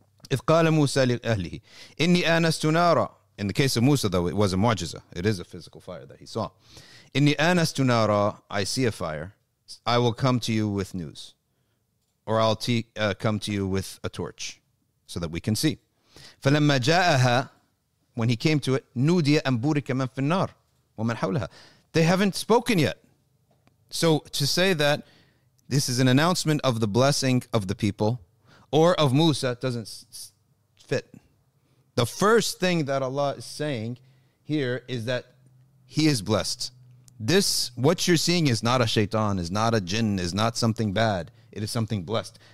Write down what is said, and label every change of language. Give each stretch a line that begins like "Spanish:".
Arabic: إِذْ قَالَ مُوسَى لِأَهْلِهِ إِنِّي أَنَسْتُ نَارًا.
English: In the case of Musa, though, it was a mu'jiza. It is a physical fire that he saw.
Arabic: إِنِّي أَنَسْتُ نَارًا.
English: I see a fire. I will come to you with news. Or I'll come to you with a torch so that we can see.
Arabic: فَلَمَّا جَاءَهَا.
English: When he came to it,
Arabic: نُودِيَ أَنْ بُورِكَ مَنْ فِي النَّارِ وَمَنْ حَوْلَهَا.
English: They haven't spoken yet. So to say that this is an announcement of the blessing of the people or of Musa doesn't fit. The first thing that Allah is saying here is that he is blessed. This, what you're seeing is not a shaitan, is not a jinn, is not something bad. It is something blessed.